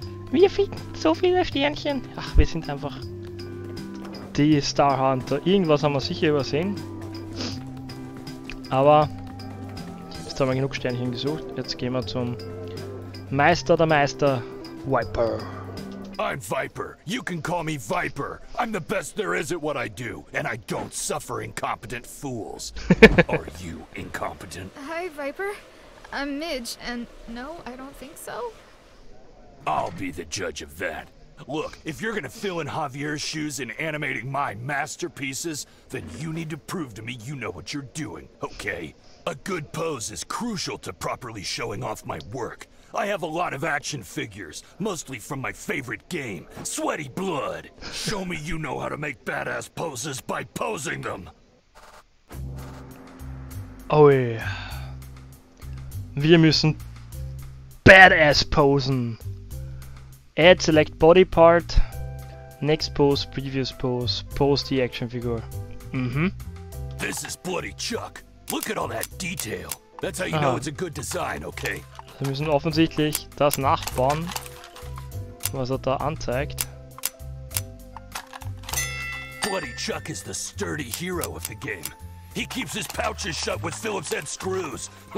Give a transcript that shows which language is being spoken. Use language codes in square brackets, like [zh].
[de] Wir finden so viele Sternchen. Ach, wir sind einfach die Star Hunter. Irgendwas haben wir sicher übersehen. Aber jetzt haben wir genug Sternchen gesucht. Jetzt gehen wir zum Meister der Meister, Viper. [en] I'm Viper. You can call me Viper. I'm the best there is at what I do, and I don't suffer incompetent fools. Are you incompetent? Hi, Viper. I'm Midge, and no, I don't think so. I'll be the judge of that. Look, if you're gonna fill in Javier's shoes in animating my masterpieces, then you need to prove to me you know what you're doing, okay? A good pose is crucial to properly showing off my work. I have a lot of action figures, mostly from my favorite game, Sweaty Blood. Show me you know how to make badass poses by posing them. Oh yeah. [de] Wir müssen badass posen. [en] Add select body part. Next pose, previous pose, pose the action figure. Mhm. This is bloody Chuck. Look at all that detail. That's how you know it's a good design, okay? [de] Wir müssen offensichtlich das nachbauen, was er da anzeigt. [en] Bloody Chuck is the sturdy hero of the game. He keeps his pouches shut with Phillips head screws.